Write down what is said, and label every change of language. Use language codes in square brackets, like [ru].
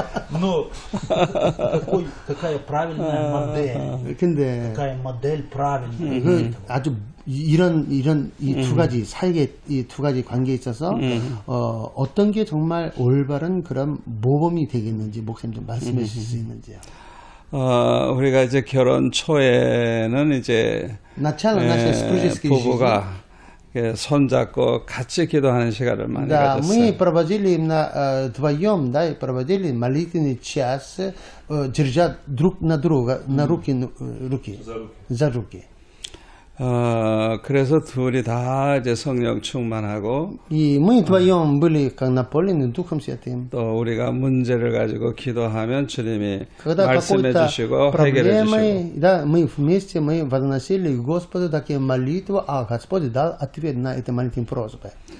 [ru] Ну, какая правильная модель. Какая модель правильная. [ko] 이런 이 두 가지 사역의 이 두 가지 관계에 있어서 어떤 게 정말 올바른 그런 모범이 되겠는지 목사님 좀 말씀해 주실 수 있는지요. 우리가 이제 결혼 초에는 이제 부부가 손 잡고 같이 기도하는 시간을 많이 가졌어요. [ru] Мы проводили на вдвоём, да, и проводили молитвенный час, держа друг на друга, на руки, руки. За руки. [ko] 그래서 둘이 다 이제 성령 충만하고 [ru] 이 мы вдвоём были как наполнены духом святым. [ko] 또 우리가 문제를 가지고 기도하면 주님이 말씀해 주시고 해결해 주시고. [ru] Да, мы вместе мы возносили Господу такие молитвы, а Господь дал ответ на эти молитвы просьбы.